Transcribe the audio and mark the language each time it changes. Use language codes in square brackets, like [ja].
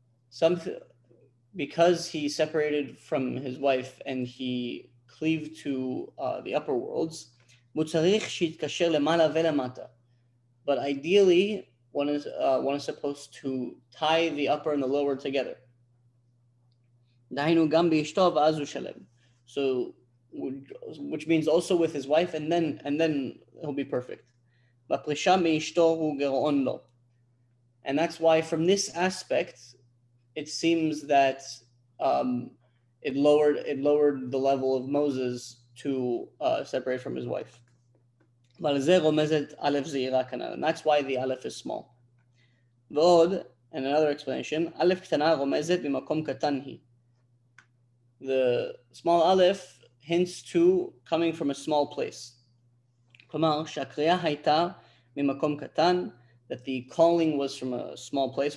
[en] something because he separated from his wife and he cleaved to the upper worlds, [he] מוצריך שיתקשר למעלה ולמטה. [en] But ideally, one is supposed to tie the upper and the lower together. [he] דהיינו גם באשתו ואז הוא שלם. [en] So, which means also with his wife, and then he'll be perfect. [he] בפרישה מאשתו הוא גרעון לו. [en] And that's why from this aspect, it seems that it lowered the level of Moses to separate from his wife. [he] ועל זה רומזת אלף זעירה כנל. [en] And that's why the אלף is small. [he] ועוד, [en] and another explanation, [he] אלף קטנה רומזת במקום קטן היא. [en] The small aleph hints to coming from a small place. [he] כלומר, שהקריאה הייתה ממקום קטן, [en] that the calling was from a small place.